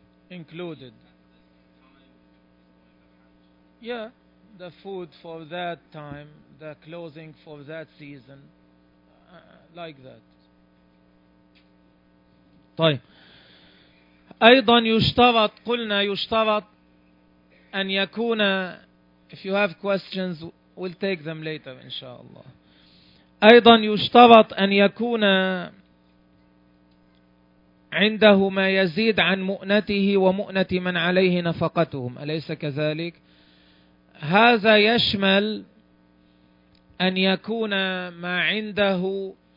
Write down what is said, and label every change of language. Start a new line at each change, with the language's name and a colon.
English: Included. Yeah, the food for that time, the clothing for that season, like that.
Arabic: طيب. أيضا يشترط، قلنا يشترط أن يكون.
English: If you have questions, we'll take them later, inshallah.
Arabic: أيضا يشترط أن يكون عنده ما يزيد عن مؤنته ومؤنة من عليه نفقتهم، أليس كذلك؟ هذا يشمل أن يكون ما عنده